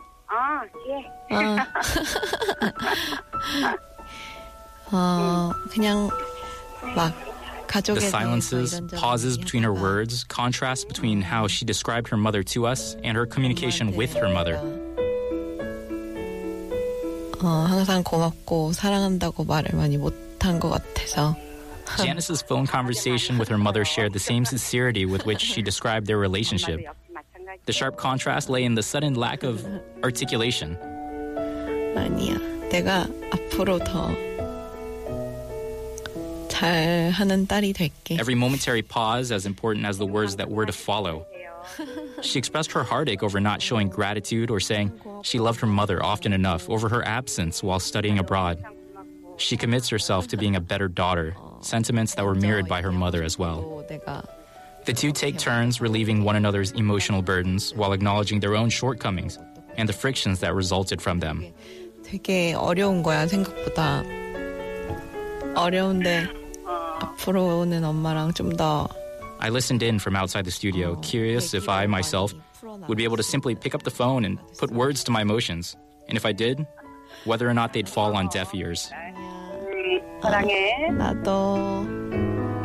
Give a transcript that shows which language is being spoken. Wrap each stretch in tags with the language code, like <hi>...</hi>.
<en>Ah, yeah.</en> <ko>그냥 막 가족에</ko> <en>The silences, pauses between her words, contrast between how she described her mother to us and her communication with her mother.</en> <ko>항상 고맙고 사랑한다고 말을 많이 못한 것 같아서.</ko> <en>Janice's phone conversation with her mother shared the same sincerity with which she described their relationship. The sharp contrast lay in the sudden lack of articulation.</en> <ko>아니야. 내가 앞으로 더 잘하는 딸이 될게.</ko> <en>Every momentary pause as important as the words that were to follow. She expressed her heartache over not showing gratitude or saying she loved her mother often enough over her absence while studying abroad. She commits herself to being a better daughter, sentiments that were mirrored by her mother as well. The two take turns relieving one another's emotional burdens while acknowledging their own shortcomings and the frictions that resulted from them.</en> <ko>되게 어려운 거야, 생각보다. 어려운데 앞으로는 엄마랑 좀 더</ko> <en>I listened in from outside the studio, curious if I myself would be able to simply pick up the phone and put words to my emotions. And if I did, whether or not they'd fall on deaf ears.</en> <ko>사랑해. 나도</ko>